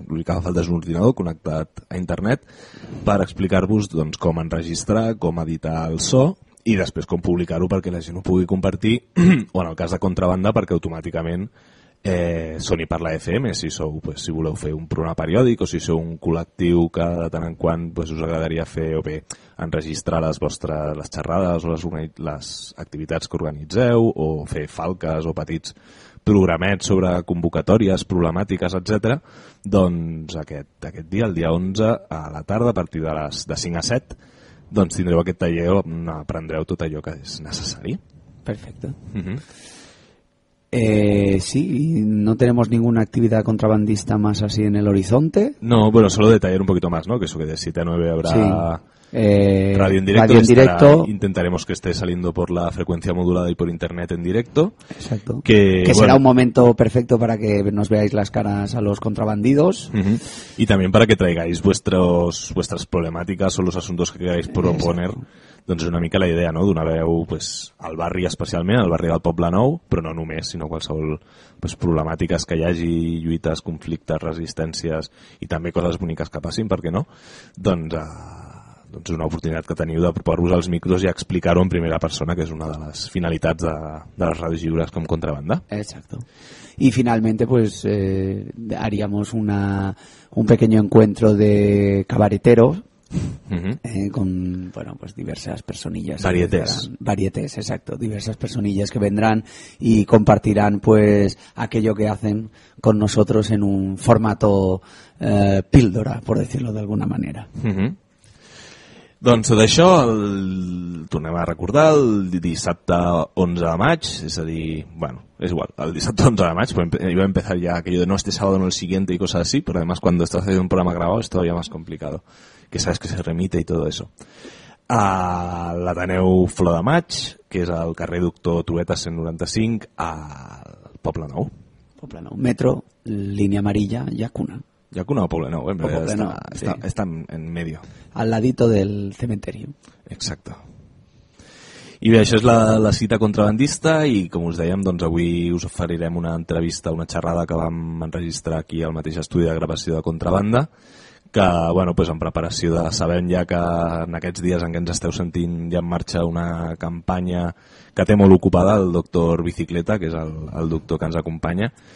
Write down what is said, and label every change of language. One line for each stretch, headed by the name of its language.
Catalan: L'únic que fa falta és un ordinador connectat a internet per explicar-vos doncs com enregistrar, com editar el so i després com publicar-ho perquè la gent ho pugui compartir o en el cas de contrabanda perquè automàticament Sony parla FM, si sou, pues, si voleu fer un programa periòdic o si sou un col·lectiu que de tant en quant pues, us agradaria fer o bé enregistrar les vostres les xerrades o les activitats que organitzeu o fer falques o petits programets sobre convocatòries, problemàtiques, etc. Doncs aquest dia, el dia 11, a la tarda, a partir de les de 5 a 7, doncs tindreu aquest taller on aprendreu tot allò que és necessari. Perfecte.
Spanish: Sí, no tenemos ninguna actividad contrabandista más así en el horizonte. No, bueno, solo detallar un poquito más, ¿no? Que eso que de 7 a 9 habrá sí. Radio en directo. Radio en directo. Intentaremos que esté saliendo por la frecuencia modulada y por internet en directo. Exacto. Que bueno, será un momento perfecto para que nos veáis las caras a los contrabandidos. Uh-huh. Y también para que traigáis vuestras problemáticas o los asuntos que queráis proponer. Exacto.
Catalan: Doncs és una mica la idea, no? Donar veu pues, al barri especialment, al barri del Poblenou, però no només, sinó qualsevol pues, problemàtiques que hi hagi, lluites, conflictes, resistències i també coses boniques que passin, per què no? Doncs és una oportunitat que teniu de proposar-vos als micros i explicar-ho en primera persona, que és una de les finalitats de les ràdios lliures com contrabanda. Exacto.
Spanish: Y finalmente pues haríamos un pequeño encuentro de cabareteros. Uh-huh. Con bueno pues diversas personillas varietés, exacto, diversas personillas que vendrán y compartirán pues aquello que hacen con nosotros en un formato píldora, por decirlo de alguna manera.
Catalan: Doncs d'això tornem a recordar el dissabte 11 de maig,
Spanish: és a dir, bueno, és igual, el dissabte 11 de maig, iba a empezar ya aquello de no este sábado no el siguiente y cosas así, pero además cuando estás haciendo un programa grabado es todavía más complicado, que sabes que se remite y todo eso.
Catalan: A l'Ateneu Flor de Maig, que és al carrer Doctor Trueta 195, al Poblenou. Poblenou, metro, línia
Spanish: amarilla,
Catalan: Llacuna.
Spanish: Llacuna o Poblenou, en realidad está en medio. Al ladito del cementerio. Exacto.
Catalan: I bé, això és la cita contrabandista i, com us dèiem, doncs avui us oferirem una entrevista, una xerrada que vam enregistrar aquí al mateix estudi de gravació de contrabanda, que, bueno, pues en preparació de sabem ja que en aquests dies en què ens esteu sentint ja en marxa una campanya que té molt ocupada el doctor Bicicleta, que és el doctor que ens acompanya,